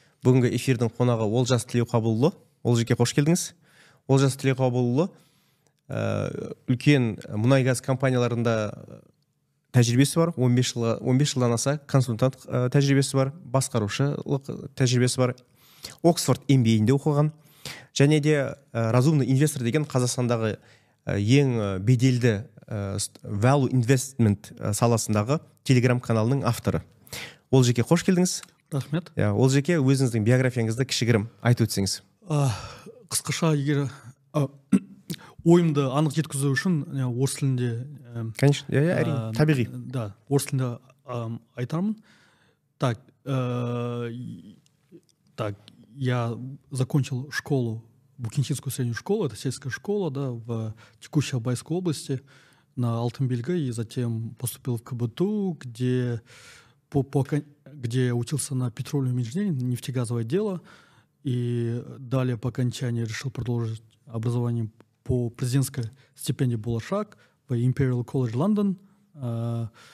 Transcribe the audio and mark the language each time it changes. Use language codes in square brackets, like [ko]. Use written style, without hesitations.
[kk] Бүгінгі эфирдің қонағы Олжас Тілеуқабылұлы. Олжеке, қош келдіңіз. Олжас Тілеуқабылұлы үлкен мұнай газ компанияларында тәжірибесі бар, 15 жылдан аса консультант тәжірибесі бар, басқарушылық тәжірибесі бар. Оксфорд MBA-інде оқыған. Және де [ru] разумный инвестор [kk] деген Қазақстандағы ең беделді [en] value investment [kk] саласындағы Telegram каналының авторы. Олжеке, қош келдіңіз. Рахмет. Олжеке, өзіңіздің биографияңызды кішігірім айтып өтсеңіз. Қысқаша, егер ойымды анық жеткізу үшін орыс тілінде... Конечно, әрине, табиғи. Да, орыс тілінде айтармын. [ru] Так, так, я закончил школу, Букинчинскую среднюю школу, это сельская школа, да, в текущей Алтайской области, на Алтынбелгі, и затем поступил в КБТУ, где, где учился на петролиум инженерии, нефтегазовое дело, и далее по окончании решил продолжить образование по президентской стипендии «Булашак» в Imperial College London.